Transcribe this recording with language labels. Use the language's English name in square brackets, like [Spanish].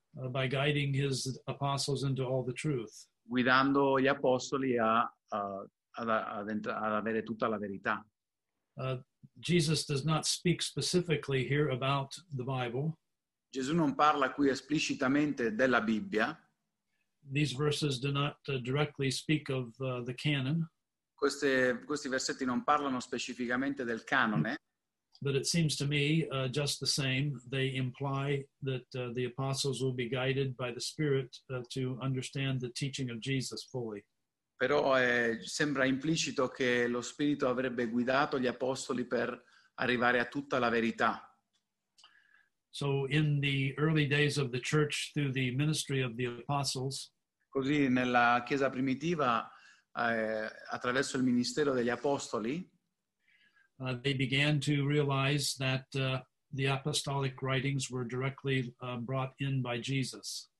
[English] By guiding his apostles into all the truth. [Italian] Guidando gli apostoli ad avere tutta la verità. [English] Jesus does not speak specifically here about the Bible. [Italian] Gesù non parla qui esplicitamente della Bibbia. [English] These verses do not directly speak of the canon. [Italian] Questi versetti non parlano specificamente del canone. [English] But it seems to me, just the same, they imply that the apostles will be guided by the Spirit to understand the teaching of Jesus fully. [Italian] Però sembra implicito che lo Spirito avrebbe guidato gli apostoli per arrivare a tutta la verità. [English] So in the early days of the church, through the ministry of the apostles, [Italian] così nella Chiesa primitiva, attraverso il ministero degli apostoli, [English] They began to realize that the apostolic writings were directly brought in by Jesus.